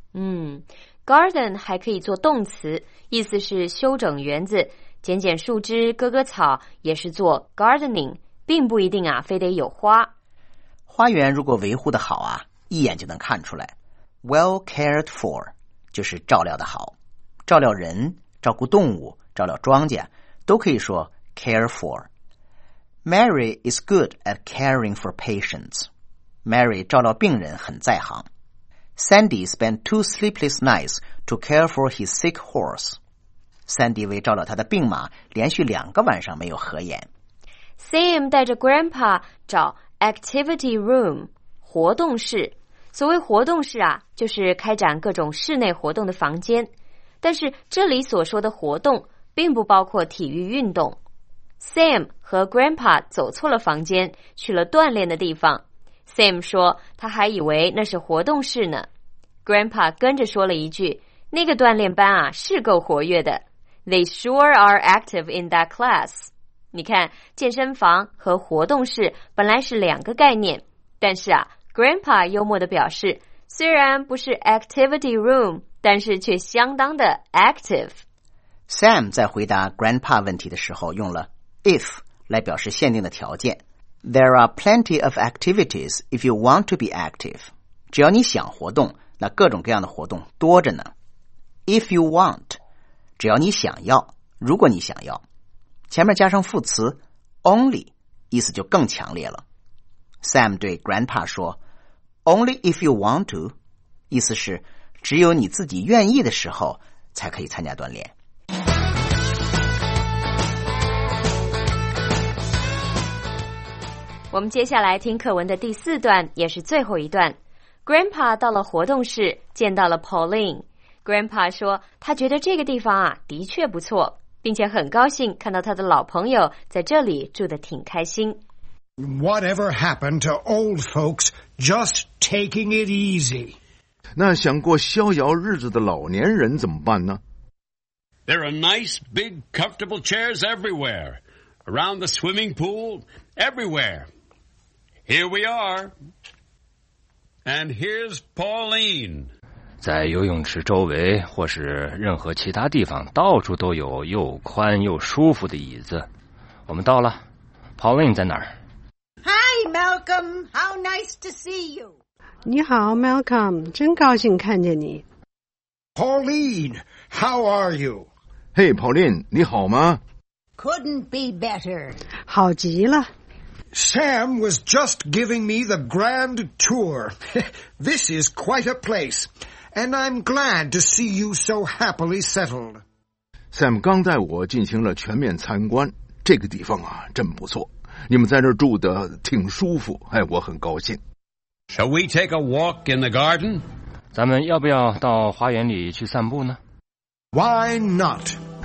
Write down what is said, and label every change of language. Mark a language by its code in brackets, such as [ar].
[zh] 嗯， garden 还可以做动词，意思是修整园子，剪剪树枝、割割草也是做 gardening， 并不一定啊非得有花。花园如果维护的好啊，一眼就能看出来。 [en] Well cared for， [zh] 就是照料的好。照料人，照顾动物，照料庄稼，都可以说 care for。 [en] Mary is good at caring for patients。 [zh] Mary 照料病人很在行。 [en] Sandy spent 2 sleepless nights to care for his sick horse。 [zh] Sandy 为照料他的病马连续两个晚上没有合眼。 Sam 带着 Grandpa 找 activity room 活动室。所谓活动室啊，就是开展各种室内活动的房间，但是这里所说的活动并不包括体育运动。 Sam 和 Grandpa 走错了房间，去了锻炼的地方。 Sam 说他还以为那是活动室呢。Grandpa 跟着说了一句，那个锻炼班啊是够活跃的， [en] They sure are active in that class。 [zh] 你看，健身房和活动室本来是两个概念，但是啊， Grandpa 幽默地表示，虽然不是 activity room，但是却相当的 active。 Sam 在回答 Grandpa 问题的时候用了 if 来表示限定的条件。 [en] There are plenty of activities if you want to be active。 [zh] 只要你想活动，那各种各样的活动多着呢。 [en] If you want， [zh] 只要你想要，如果你想要，前面加上副词 only， 意思就更强烈了。 Sam 对 Grandpa 说 [en] Only if you want to， [zh] 意思是只有你自己愿意的时候才可以参加锻炼。我们接下来听课文的第四段，也是最后一段。 Grandpa 到了活动室，见到了 Pauline。Grandpa 说他觉得这个地方啊的确不错，并且很高兴看到他的老朋友在这里住得挺开心。 [en] Whatever happened to old folks just taking it easy？ [zh] 那想过逍遥日子的老年人怎么办呢？ [en] There are nice, big, comfortable chairs everywhere. Around the swimming pool, everywhere. Here we are. And here's Pauline. [zh] 在游泳池周围或是任何其他地方，到处都有又宽又舒服的椅子。我们到了。 Pauline 在哪儿？ [en] Hi, Malcolm. How nice to see you. [zh] 你好 ，Malcolm， 真高兴看见你。 [en] Pauline， how are you？ [zh] Hey， Pauline， 你好吗 [en] ？Couldn't be better。 [zh] 好极了。 [en] Sam was just giving me the grand tour. This is quite a place, and I'm glad to see you so happily settled. [zh] Sam 刚带我进行了全面参观，这个地方啊真不错，你们在这住得挺舒服，哎，我很高兴。 [en] Shall we take a walk in the garden? [zh] 咱们要不要到花园里去散步呢？ [en] Why not?